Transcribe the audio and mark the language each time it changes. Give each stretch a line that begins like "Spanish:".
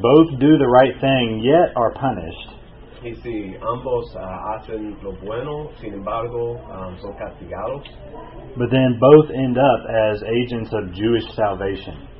English: Both do the right thing, yet are punished.
Spanish: Y si ambos hacen lo bueno, sin embargo, son castigados.
English: But then both end up as agents of Jewish salvation.